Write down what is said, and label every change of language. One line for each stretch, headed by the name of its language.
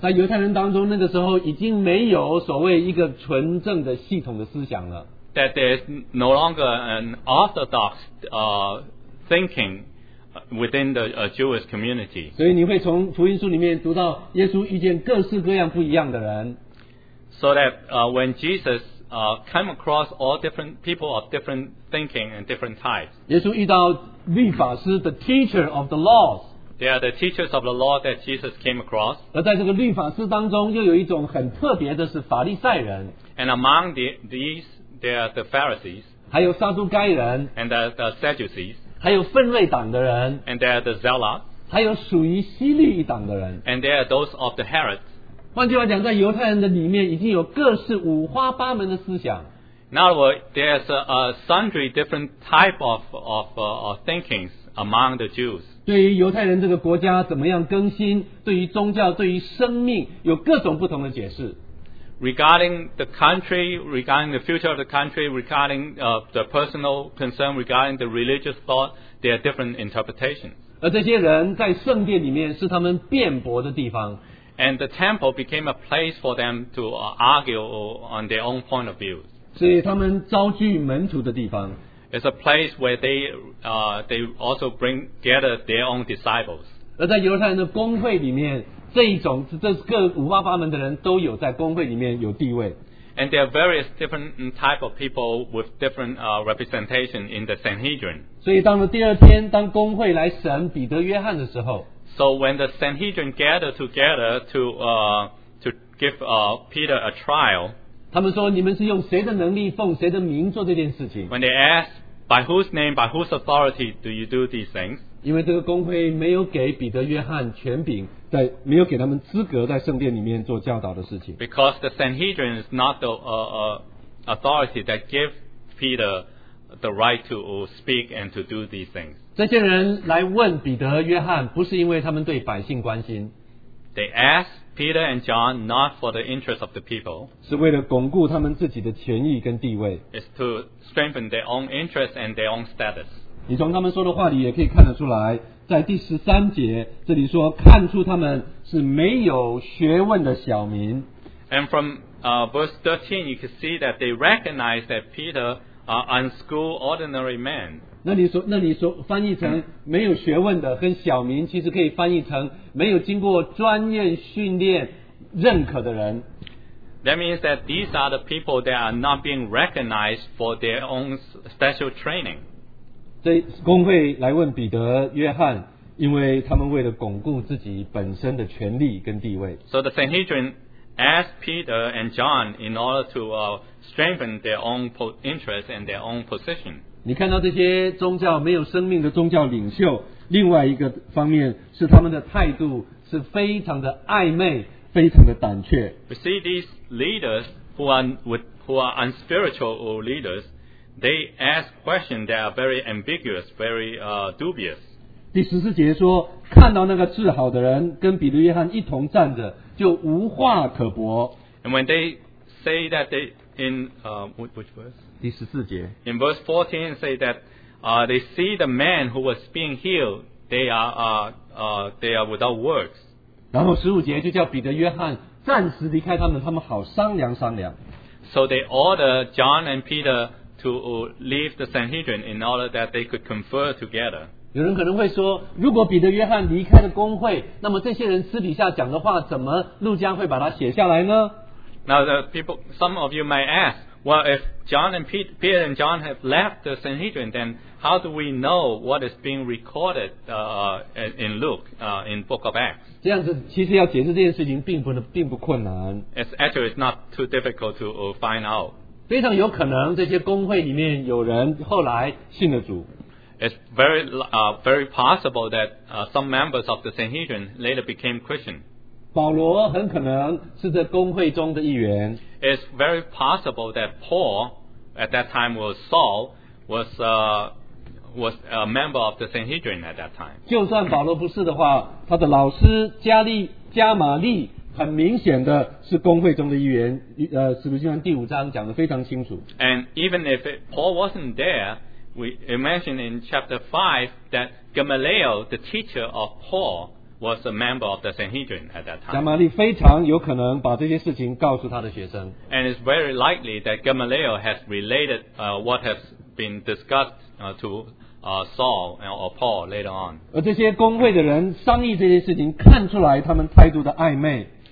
Chinese: 在犹太人当中，那个时候已经没有所谓一个纯正的系统的思想了。
English: That there's no longer an orthodox thinking within the Jewish community.
Chinese: 所以你会从福音书里面读到耶稣遇见各式各样不一样的人。
English: So that when Jesus came across all different people of different thinking and different types.
Chinese: 耶稣遇到律法师
English: the teacher of the laws. They are the teachers of the law that Jesus came across.
Chinese: 而在这个律法师当中又有一种很特别的是法利赛人。
English: And among these, there are the Pharisees.
Chinese: 还有撒都该人。
English: And the Sadducees.
Chinese: 还有分类党的人
English: and they are the zealots
Chinese: 还有属于希律一党的人
English: and they are those of the Herod
Chinese: 换句话讲在犹太人的里面已经有各式五花八门的思想
English: in other words there's a sundry different type of thinkings among the Jews
Chinese: 对于犹太人这个国家怎么样更新对于宗教对于生命有各种不同的解释
English: regarding the country regarding the future of the country regarding the personal concern regarding the religious thought there are different interpretations
Chinese: 而这些人在圣殿里面是他们辩驳的地方
English: and the temple became a place for them to argue on their own point of view
Chinese: 是他们招聚门徒的地方
English: it's a place where they also bring gather their own disciples
Chinese: 而在犹太人的公会里面这一种这各五花八门的人都有在公会里面有地位
English: and there are various different type of people with different representation in the Sanhedrin
Chinese: 所以当了第二天当公会来审彼得约翰的时候
English: so when the Sanhedrin gathered together to give Peter a trial
Chinese: 他们说你们是用谁的能力奉谁的名做这件事情
English: when they ask by whose name by whose authority do you do these things
Chinese: 因为这个公会没有给彼得约翰权柄在没有给他们资格在圣殿里面做教导的事情。
English: Because the Sanhedrin is not the authority that gave Peter the right to speak and to do these things.
Chinese: 这些人来问彼得、约翰，不是因为他们对百姓关心。
English: They ask Peter and John not for the interest of the people.
Chinese: 是为了巩固他们自己的权益跟地位。
English: It's to strengthen their own interest and their own status.
Chinese: 你从他们说的话里也可以看得出来，在第十三节这里说，看出他们是没有学问的小民。
English: And from verse 13, you can see that they recognize that Peter are unschooled ordinary men.
Chinese: 那你说翻译成没有学问的跟小民，其实可以翻译成没有经过专业训练认可的人。
English: That means that these are the people that are not being recognized for their own special training.
Chinese: 这公会来问彼得、约翰，因为他们为了巩固自己本身的权力跟地位。
English: So the Sanhedrin asked Peter and John in order to strengthen their own interest and their own position.
Chinese: 你看到这些宗教没有生命的宗教领袖，另外一个方面是他们的态度是非常的暧昧，非常的胆怯。
English: We see these leaders who are unspiritual leaders, they ask questions that are very ambiguous, very dubious.
Chinese: 第十四节说，看到那个治好的人跟彼得约翰一同站着，就无话可驳。
English: And when they say that they in which verse?
Chinese: 第十四节。
English: In verse 14, say that they see the man who was being healed, they are without words.
Chinese: 然后十五节就叫彼得约翰暂时离开他们好商量商量。
English: So they order John and Peter to leave the Sanhedrin in order that they could confer together.
Chinese: 有人可能会说，如果彼得约翰离开了公会，那么这些人私底下讲的话，怎么路加会把它写下来呢？
English: Now the people, some of you might ask, well, if John and Peter and John have left the Sanhedrin, then how do we know what is being recorded in Luke, in Book of Acts?
Chinese: 这样子其实要解释这件事情并不困难。
English: It's not too difficult to find out.
Chinese: 非常有可能这些公会里面有人后来信了主。
English: It's very, very possible that some members of the Sanhedrin later became Christian.
Chinese: 保罗很可能是这公会中的一员。
English: It's very possible that Paul, at that time was Saul, was a member of the Sanhedrin at that time.
Chinese: 就算保罗不是的话，他的老师加玛利很明显的是公会中的一员。使徒行传第五章讲得非常清楚。
English: And even if Paul wasn't there,We mention in chapter 5 that Gamaliel, the teacher of Paul, was a member of the Sanhedrin at that time.
Chinese: 加玛利非常有可能把这些事情告诉他的学生。
English: And it's very likely that Gamaliel has related what has been discussed to Saul or Paul later on.
Chinese: 而这些公会的人商议这些事情，看出来他们态度的暧昧。